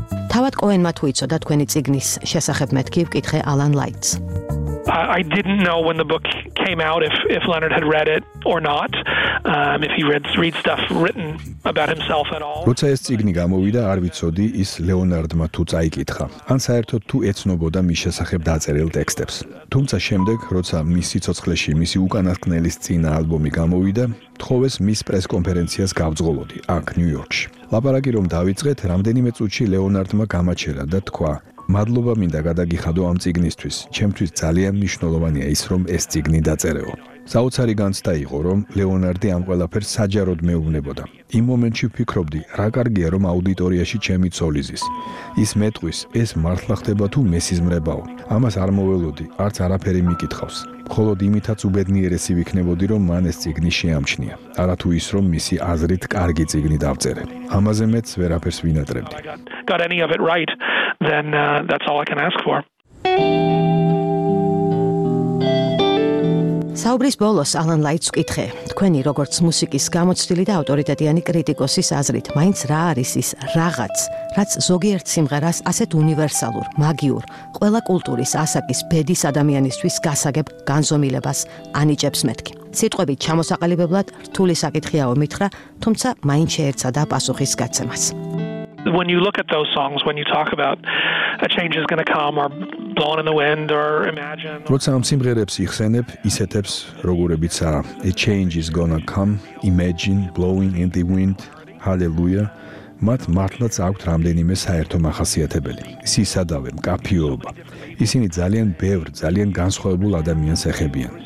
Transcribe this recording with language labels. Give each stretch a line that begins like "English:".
Georgian: თავად კოენმა თუ იცოდა თქვენი ციგნის შესახებ მეთქი, ვკითხე Alan Lights.
English: I didn't know when the book came out if Leonard had read it or not, if he read stuff written about himself at all.
Georgian: როცა ეს წიგნი გამოვიდა, არ ვიცოდი ის ლეონარდმა თუ წაიკითხა, ან საერთოდ თუ ეცნობოდა მის შესახებ დაწერილ ტექსტებს. თუმცა შემდეგ, როცა მის სიცოცხლეში მისი უკანასკნელის წინა ალბომი გამოვიდა, თხოვეს მის პრეს კონფერენციას გავძღოლოდი აქ ნიუ-იორკში. ლაპარაკი რომ დავიწყეთ, რამდენიმე წუთში ლეონარდმა გამაჩერა და თქვა: მადლობა მინდა გადაგიხადო ამ წიგნისთვის. ჩემთვის ძალიან მნიშვნელოვანია ის, რომ ეს წიგნი დაწერეო. საოცარი განცდა იყო, რომ ლეონარდი ამ ყველაფერს საჯაროდ მეუბნებოდა. იმ მომენტში ვფიქრობდი, რა კარგია, რომ აუდიტორიაში ჩემი ცოლი ზის. ის მეტყვის, ეს მართლა ხდება თუ მესიზმრებაო. ამას არ მოველოდი, არც არაფერი მიკითხავს. მხოლოდ იმითაც უბედნიერესი ვიქნებოდი, რომ მან ეს წიგნი შეამჩნია. არათუ ის, რომ მისი აზრით კარგი წიგნი დავწერე. ამაზე მეც ვერაფერს ვინატრებდი.
English: Got any of it right, then that's all I can ask for.
Georgian: საუბრის ბოლოს ალან ლაიტს ვკითხე, თქვენი როგორც მუსიკის გამოცდილი და ავტორიტეტიანი კრიტიკოსის აზრით, მაინც რა არის ის რაღაც, რაც ზოგიერთ სიმღერას ასეთ უნივერსალურ, მაგიურ, ყველა კულტურის ასაკის ბედის ადამიანისთვის გასაგებ განზომილებას ანიჭებს მეთქი. სიტყვებით ჩამოსაყალიბებლად რთული საკითხია ომითხრა, თუმცა მაინც შეერცადა პასუხის გაცემას.
English: When you look at those songs, when you talk about a change is going to come or blown in the wind or imagine,
Georgian: როცა ამ სიმღერებს იხსენებ, ისეთებს, როგორებიცაა a change is going to come, imagine, blowing in the wind, hallelujah, მათ მართლაც აქვთ რამდენიმე საერთო მახასიათებელი. სისადავე, მკაფიობა. ისინი ძალიან ბევრ, ძალიან განსხვავებულ ადამიანს ეხებიან.